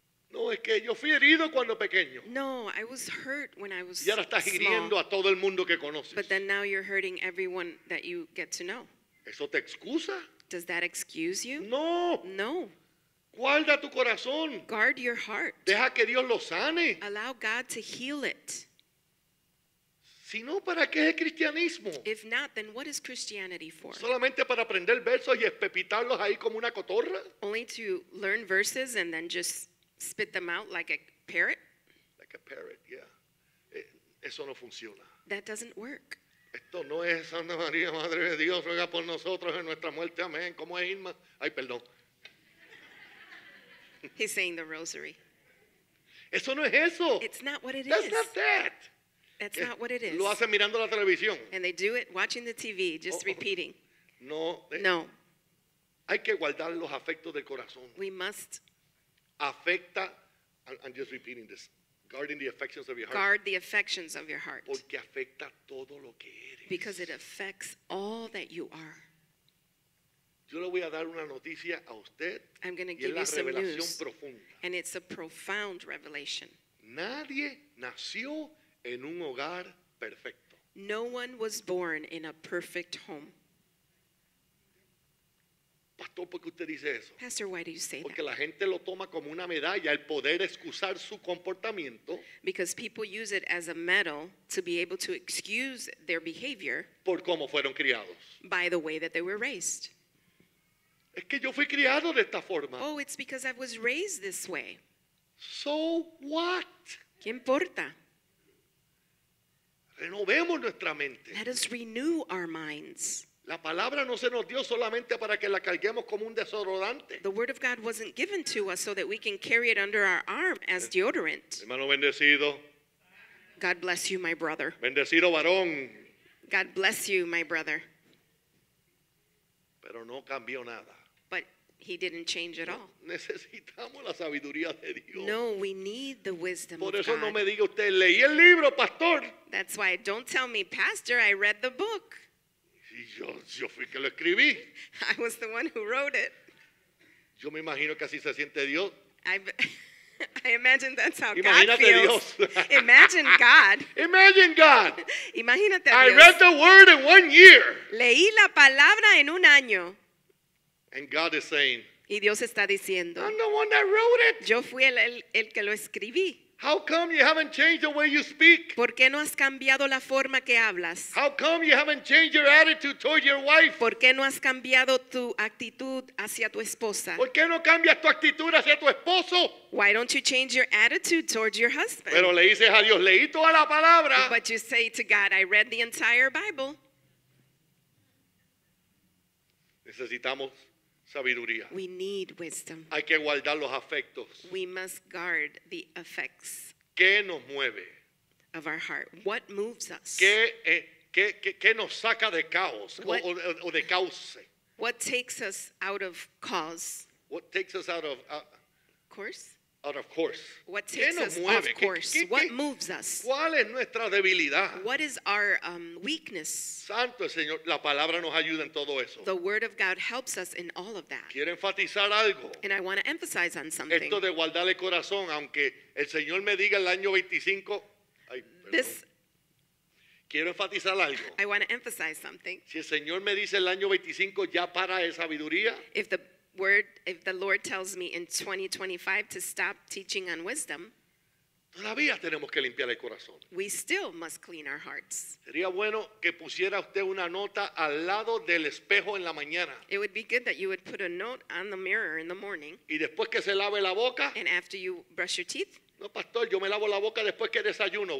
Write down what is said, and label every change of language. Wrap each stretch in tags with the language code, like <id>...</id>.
<es>No, es que yo fui herido cuando pequeño.</es> <en>No, I was hurt when I was small.</en> <es>Y ahora estás hiriendo a todo el mundo que conoces.</es> <en>But then now you're hurting everyone that you get to know.</en> <es>¿Eso te excusa?</es> <en>Does that excuse you?</en> <es>No.</es> <en>No.</en> <es>Guarda tu corazón.</es> <en>Guard your heart.</en> <es>Deja que Dios lo sane.</es> <en>Allow God to heal it.</en> <es>Si no, ¿para qué es el cristianismo?</es> <en>If not, then what is Christianity for?</en> <es>¿Solamente para aprender versos y espepitarlos ahí como una cotorra?</es> <en>Only to learn verses and then just spit them out like a parrot? Like a parrot, yeah.</en> <es>Eso no funciona.</es> <en>That doesn't work.</en> <es>Esto no es Santa María, Madre de Dios, ruega por nosotros en nuestra muerte, amén. ¿Cómo es Irma? Ay, perdón.</es> <en>He's saying the rosary.</en> <es>Eso no es eso.</es> <en>It's not what it That's is. That's not that. That's not what it is.</en> <es>Lo hacen mirando la televisión.</es> <en>And they do it watching the TV, just repeating.</en> <es>No.</es> <en>No.</en> <es>Hay que guardar los afectos del corazón.</es> <en>We must. Afecta, I'm just repeating this, guarding the affections of your heart. Guard the affections of your heart.</en> <es>Porque afecta todo lo que eres.</es> <en>Because it affects all that you are.</en> <es>Yo le voy a dar una noticia a usted.</es> <en>I'm going to give you some news.</en> <es>Y es la revelación profunda.</es> <en>And it's a profound revelation.</en> <es>Nadie nació en un hogar perfecto.</es> <en>No one was born in a perfect home.</en> <es>Pastor, ¿por qué usted dice eso?</es> <en>Pastor, why do you say</en> <es>Porque</es> <en>that?</en> <es>Porque la gente lo toma como una medalla, el poder excusar su comportamiento.</es> <en>Because people use it as a medal to be able to excuse their behavior.</en> <es>Por cómo fueron criados.</es> <en>By the way that they were raised.</en> <es>Es que yo fui criado de esta forma.</es> <en>Oh, it's because I was raised this way. So what?</en> <es>¿Qué importa? Renovemos nuestra mente.</es> <en>Let us renew our minds.</en> <es>La palabra no se nos dio solamente para que la carguemos como un desodorante.</es> <en>The word of God wasn't given to us so that we can carry it under our arm as deodorant.</en> <es>Hermano bendecido.</es> <en>God bless you, my brother.</en> <es>Bendecido varón.</es> <en>God bless you, my brother.</en> <es>Pero no cambió nada.</es> <en>But he didn't change at all.</en> <es>Necesitamos la sabiduría de Dios.</es> <en>No, we need the wisdom God.</en> <es>Por eso no me diga usted, leí el libro, pastor.</es> <en>That's why, don't tell me, pastor, I read the book.</en> <es>Y yo fui que lo escribí.</es> <en>I was the one who wrote it.</en> <es>Yo me imagino que así se siente Dios.</es> <en>I imagine that's how</en> <es>Imagínate</es> <en>God feels.</en> <es>Dios.</es> <en>Imagine God. Imagine God.</en> <es>Imagínate</es> <en>I</en> <es>Dios.</es> <en>Read the word in 1 year.</en> <es>Leí la palabra en un año.</es> <en>And God is saying,</en> <es>y Dios está diciendo,</es> <en>I'm the one that wrote it.</en> <es>Yo fui el que lo escribí.</es> <en>How come you haven't changed the way you speak?</en> <es>¿Por qué no has cambiado la forma que hablas?</es> <en>How come you haven't changed your attitude toward your wife?</en> <es>¿Por qué no has cambiado tu actitud hacia tu esposa? ¿Por qué no cambias tu actitud hacia tu esposo?</es> <en>Why don't you change your attitude toward your husband?</en> <es>Pero le dices a Dios, leí toda la palabra.</es> <en>But you say to God, I read the entire Bible.</en> <es>Necesitamos sabiduría.</es> <en>We need wisdom.</en> <es>Hay que guardar los afectos.</es> <en>We must guard the affects.</en> <es>¿Qué nos mueve?</es> <en>Of our heart. What moves us?</en> <es>¿Qué nos saca de caos o de cauce?</es> <en>What takes us out of cause? What takes us out of course? Out of course. What takes us</en> <es>mueve?</es> <en>Off course? What moves us?</en> <es>¿Cuál es nuestra debilidad?</es> <en>What is our weakness?</en> <es>Santo Señor, la palabra nos ayuda en todo eso.</es> <en>The word of God helps us in all of that.</en> <es>Quiero enfatizar algo.</es> <en>And I want to emphasize on something.</en> <es>Esto de guardar el corazón, aunque el Señor me diga el año 25. Ay,</es> <en>this.</en> <es>Quiero enfatizar algo.</es> <en>I want to emphasize something.</en> <es>Si el Señor me dice el año 25 ya para de sabiduría.</es> <en>If the Lord tells me in 2025 to stop teaching on wisdom,</en> <es>todavía tenemos que limpiar el corazón.</es> <en>We still must clean our hearts.</en> <es>Sería bueno que pusiera usted una nota al lado del espejo en la mañana.</es> <en>It would be good that you would put a note on the mirror in the morning.</en> <es>Y después que se lave la boca.</es> <en>And after you brush your teeth.</en> <es>No, pastor, yo me lavo la boca después que desayuno.</es>